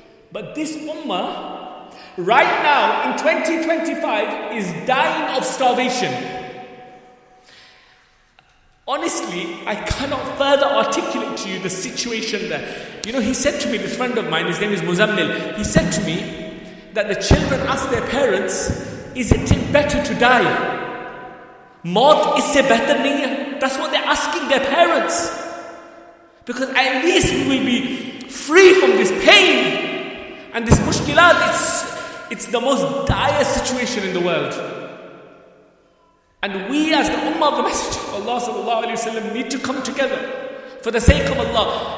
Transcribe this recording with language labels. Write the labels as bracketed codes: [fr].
[en] But this ummah right now in 2025 is dying of starvation. Honestly, I cannot further articulate to you the situation there. You know, he said to me, this friend of mine, his name is Muzammil, he said to me that the children ask their parents, isn't it better to die? [ur] موت اس سے better نہیں ہے؟ [en] That's what they're asking their parents. Because at least we will be free from this pain. And this mushkilat, it's the most dire situation in the world. And we as the ummah of the Messenger of Allah sallallahu alayhi wa sallam need to come together for the sake of Allah.